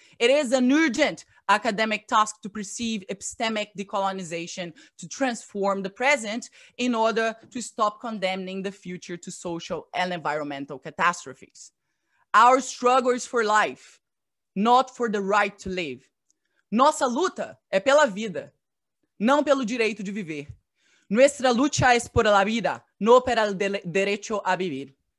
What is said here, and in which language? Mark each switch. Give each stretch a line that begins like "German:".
English: It is an urgent academic task to perceive epistemic decolonization to transform the present in order to stop condemning the future to social and environmental catastrophes. Our struggle is for life, not for the right to live.
Portuguese: Nossa luta é pela vida, não pelo direito de viver.
Spanish: Nuestra lucha es por la vida, no por el derecho a vivir.